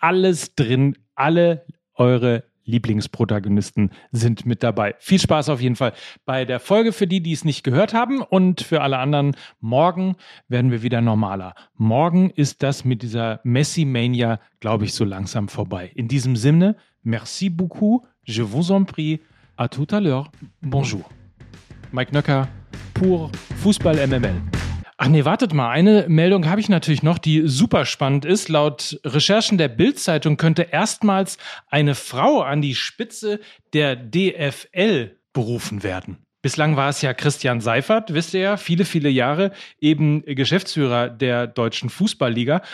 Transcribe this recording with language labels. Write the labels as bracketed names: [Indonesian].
[German] Alles drin, alle eure Lieblingsprotagonisten sind mit dabei. Viel Spaß auf jeden Fall bei der Folge für die, die es nicht gehört haben und für alle anderen. Morgen werden wir wieder normaler. Morgen ist das mit dieser Messi-Mania, glaube ich, so langsam vorbei. In diesem Sinne, [French] merci beaucoup, je vous en prie, à tout à l'heure, bonjour. [German] Mike Nöcker, pur Fußball MML. Ach nee, wartet mal, eine Meldung habe ich natürlich noch, die super spannend ist. Laut Recherchen der Bild-Zeitung könnte erstmals eine Frau an die Spitze der DFL berufen werden. Bislang war es ja Christian Seifert, wisst ihr ja, viele, viele Jahre eben Geschäftsführer der Deutschen Fußballliga.